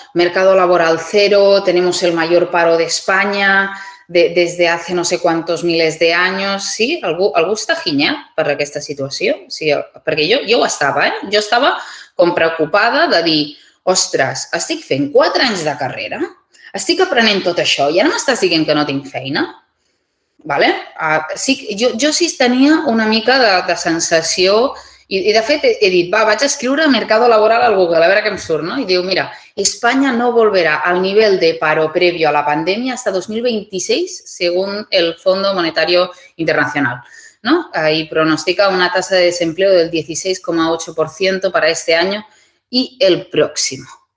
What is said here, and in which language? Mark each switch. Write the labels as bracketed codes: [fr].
[es] Mercado laboral cero, tenemos el mayor paro de España desde hace no sé cuántos miles de años. [ca] Sí, algú està ginyat per aquesta situació? Sí, perquè jo ho estava, eh? Jo estava com preocupada de dir, ostres, estic fent 4 anys de carrera, estic aprenent tot això i ara m'estàs dient que no tinc feina? Vale? Sí, jo sí tenia una mica de sensació. I de fet, he dit, vaig a escriure Mercado Laboral al Google, a veure què em surt, no? I diu, mira, [es] España no volverá al nivel de paro previo a la pandemia hasta 2026, según el Fondo Monetario Internacional, ¿no? Ahí pronostica una tasa de desempleo del 16,8% para este año y el próximo.